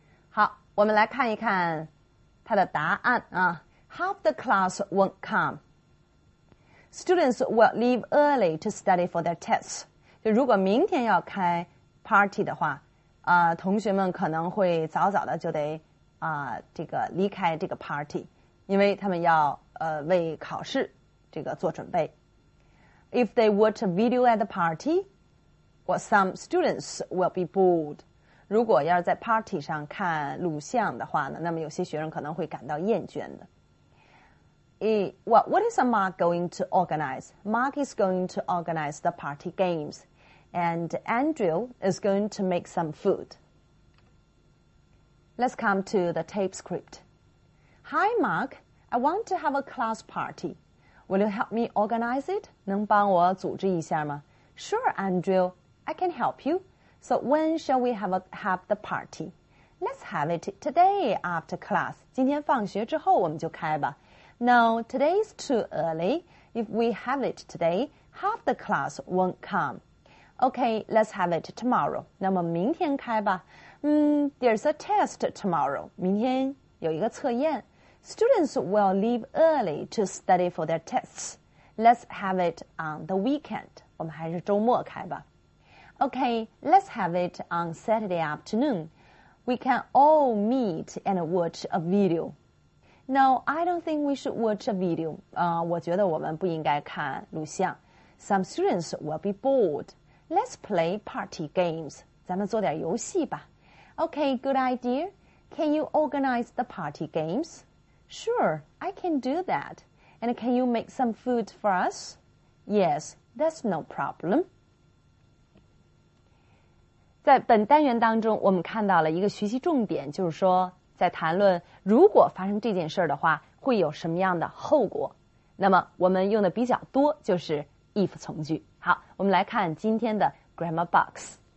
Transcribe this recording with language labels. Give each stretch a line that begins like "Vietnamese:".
Chinese: 好，我们来看一看他的答案啊。
English: Half the class won't come. Students will leave early to study for their tests.
Chinese: 就如果明天要开 party 的话，同学们可能会早早的就得这个离开这个 party， 因为他们要为考试这个做准备。
English: If they watch a video at the party, well, some students will be bored.
Chinese: 如果要在 party 上看录像的话呢，那么有些学生可能会感到厌倦的。
English: What is Mark going to organize? Mark is going to organize the party games. And Andrew is going to make some food. Let's come to the tape script. Hi, Mark. I want to have a class party. Will you help me organize it?
Chinese: 能帮我组织一下吗?
English: Sure, Andrew. I can help you. So when shall we have the party? Let's have it today after class.
Chinese: 今天放学之后我们就开吧。
English: No, today is too early. If we have it today, half the class won't come. Okay, let's have it tomorrow.
Chinese: 那么明天开吧。
English: There's a test tomorrow.
Chinese: 明天有一个测验。
English: Students will leave early to study for their tests. Let's have it on the weekend.
Chinese: 我们还是周末开吧。
English: Okay, let's have it on Saturday afternoon. We can all meet and watch a video. No, I don't think we should watch a video.
Chinese: 我觉得我们不应该看录像。
English: Some students will be bored. Let's play party games.
Chinese: 咱们做点游戏吧。
English: Okay, good idea. Can you organize the party games? Sure, I can do that. And can you make some food for us? Yes, that's no problem.
Chinese: 在本单元当中，我们看到了一个学习重点，就是说在谈论如果发生这件事的话会有什么样的后果，那么我们用的比较多就是 if 从句。好，我们来看今天的 grammar box。